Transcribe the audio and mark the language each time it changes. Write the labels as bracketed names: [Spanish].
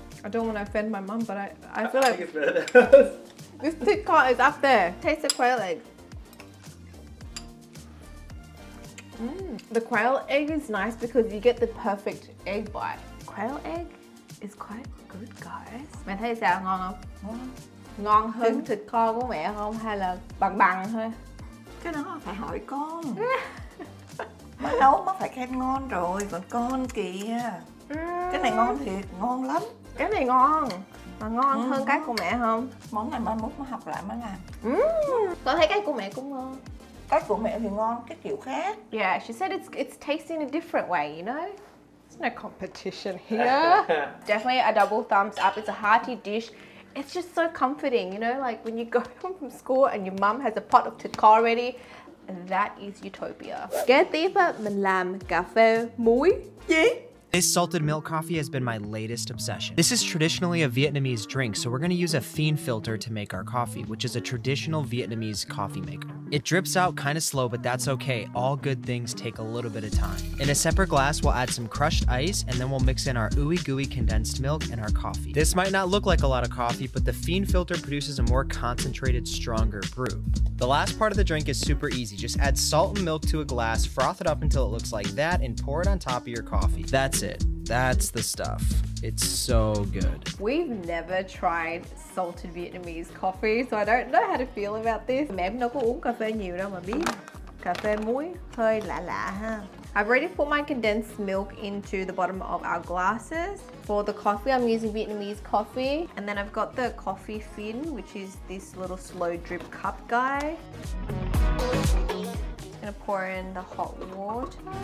[English] I don't want to offend my mum, but I feel I like think it's this Thit Kho is up there. Taste the quail egg. The quail egg is nice because you get the perfect egg bite. Quail egg is quite good, guys. [Vietnamese] Mẹ thấy sao ngon không? Ngon hơn Thit Kho của mẹ không hay là bằng bằng thôi? Cái đó phải hỏi con. Mà nấu mà phải khen ngon rồi, còn con kìa. Cái này ngon thiệt, ngon lắm. Cái này ngon. Mà ngon hơn cái của mẹ không? Món này mai mốt mới học lại mới làm. Con thấy cái của mẹ cũng ngon. Cái của mẹ thì ngon, cái kiểu khác. [English] Yeah, she said it's tasting a different way, you know? There's no competition here. Definitely a double thumbs up. It's a hearty dish. It's just so comforting, you know? Like when you go home from school and your mum has a pot of Thit Kho ready, that is utopia. [Vietnamese] Kế tiếp mình làm cà phê muối. Gì? [English] This salted milk coffee has been my latest obsession. This is traditionally a Vietnamese drink, so we're gonna use a Phin filter to make our coffee, which is a traditional Vietnamese coffee maker. It drips out kind of slow, but that's okay. All good things take a little bit of time. In a separate glass, we'll add some crushed ice, and then we'll mix in our ooey gooey condensed milk and our coffee. This might not look like a lot of coffee, but the Phin filter produces a more concentrated, stronger brew. The last part of the drink is super easy. Just add salt and milk to a glass, froth it up until it looks like that, and pour it on top of your coffee. That's it. That's the stuff. It's so good. We've never tried salted Vietnamese coffee, so I don't know how to feel about this. [Vietnamese] Mẹ nó có uống cà phê nhiều đâu mà biết. Cà phê muối hơi lạ lạ ha. [English] I've already put my condensed milk into the bottom of our glasses. For the coffee, I'm using Vietnamese coffee. And then I've got the coffee Phin, which is this little slow drip cup guy. Just gonna pour in the hot water.